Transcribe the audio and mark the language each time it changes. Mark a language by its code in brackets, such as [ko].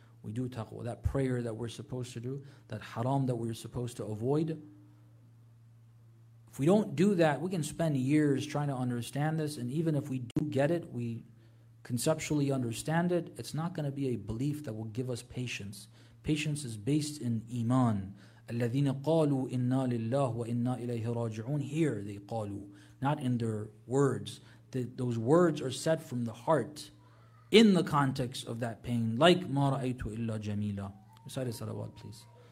[en] We do taqwa, that prayer that we're supposed to do, that haram that we're supposed to avoid. If we don't do that, we can spend years trying to understand this, and even if we do get it, we conceptually understand it, it's not going to be a belief that will give us patience. Patience is based in iman. [ar] الَّذِينَ قَالُوا إِنَّا لِلَّهِ وَإِنَّا إِلَيْهِ رَاجِعُونَ [en] Here they [ar] قَالُوا, [en] not in their words. Those words are said from the heart, in the context of that pain, like [ar] مَا رَأَيْتُ إِلَّا جَمِيلًا. [en] Recite a salawat, please.